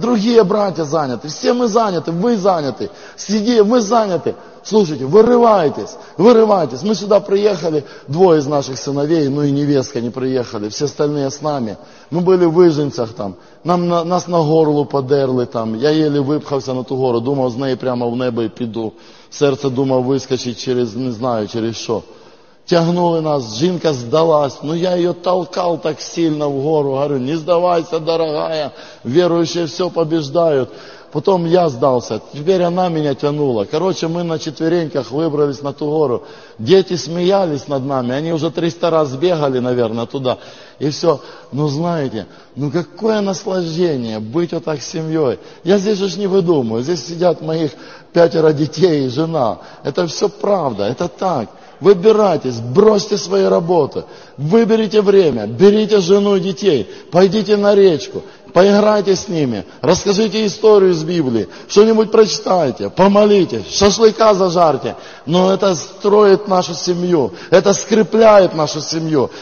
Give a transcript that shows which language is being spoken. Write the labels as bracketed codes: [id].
[ru] Другие братья заняты. Все мы заняты. Вы заняты. Сидим. Мы заняты. Слушайте, вырывайтесь. Вырывайтесь. Мы сюда приехали. Двое из наших сыновей, ну и невестка не приехали. Все остальные с нами. Мы были в Ижинцах там. Нас на горло подерли там. Я еле выпхался на ту гору. [uk] Думав, з неї прямо в небо і піду. Серце думав вискочить через, не знаю, через що. Тягнули нас, жінка здалась. Ну я її толкав так сильно вгору. Говорю, не здавайся, дорогая, віруючі все побіждають. Потім я здався, тепер вона мене тягнула. Коротше, ми на четвереньках вибрались на ту гору. Діти сміялись над нами, вони вже 300 раз бігали, мабуть, туди. І все, ну знаєте, ну яке наслаждення бути отак сім'єю. Я тут ж не видумую, тут сидять моїх 5 дітей і жена. Це все правда, це так. [ru] Выбирайтесь, бросьте свои работы, выберите время, берите жену и детей, пойдите на речку, поиграйте с ними, расскажите историю из Библии, что-нибудь прочитайте, помолитесь, шашлыка зажарьте. Но это строит нашу семью, это скрепляет нашу семью.